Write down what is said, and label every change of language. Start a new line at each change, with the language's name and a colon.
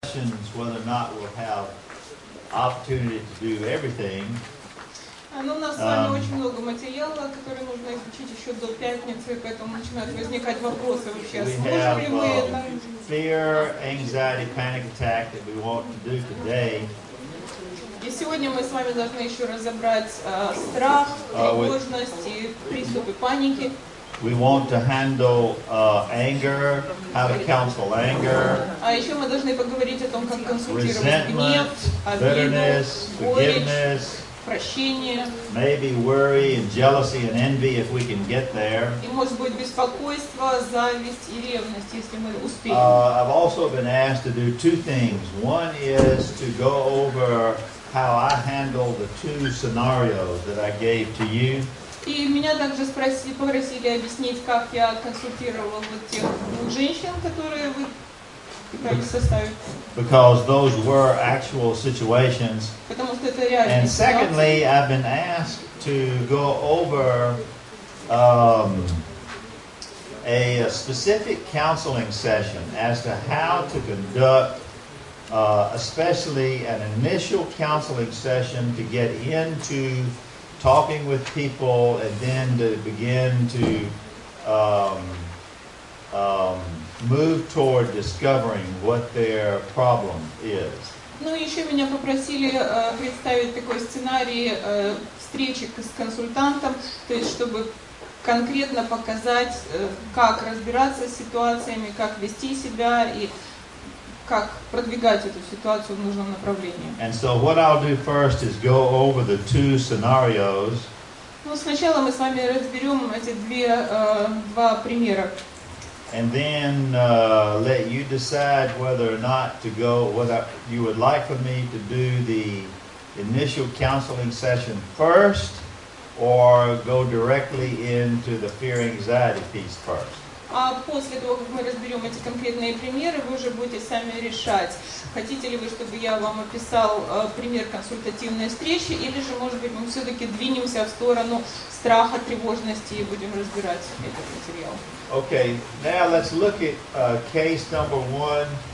English: questions whether or not we'll have opportunity to do everything.
Russian: Ну, у нас с вами очень много материала, который нужно изучить еще до пятницы, поэтому начинают возникать вопросы вообще, сможем ли мы это?
English: Fear, anxiety, panic attack that we want to do today.
Russian: И сегодня мы с вами должны еще разобрать страх, тревожность и приступы паники.
English: We want to handle anger, how to counsel anger.
Russian: А еще мы должны поговорить о том, как консультировать
English: resentment,
Russian: гнев,
English: bitterness,
Russian: обиду,
English: forgiveness.
Russian: Прощение.
English: Maybe worry and jealousy and envy if we can get there.
Russian: И может быть беспокойство, зависть и ревность, если мы успеем.
English: I've also been asked to do two things. One is to go over how I handle the two scenarios that I gave to you.
Russian: И меня также попросили объяснить, как я консультировал вот тех женщин, которые вы
English: Because those were actual situations. And secondly, I've been asked to go over a specific counseling session as to how to conduct especially an initial counseling session to get into talking with people and then to begin to move toward discovering what their problem is.
Russian: Ну еще меня попросили представить такой сценарий встречи с консультантом, то есть чтобы конкретно показать, как разбираться с ситуациями, как вести себя и как продвигать эту ситуацию в нужном направлении.
English: And so what I'll do first is go over the two scenarios.
Russian: Ну сначала мы с вами разберем эти два примера.
English: And then let you decide whether or not to go, whether you would like for me to do the initial counseling session first or go directly into the fear anxiety piece first.
Russian: А после того, как мы разберем эти конкретные примеры, вы уже будете сами решать, хотите ли вы, чтобы я вам описал пример консультативной встречи, или же, может быть, мы все-таки двинемся в сторону страха, тревожности и будем разбирать этот материал.
English: Okay, now let's look at case number one.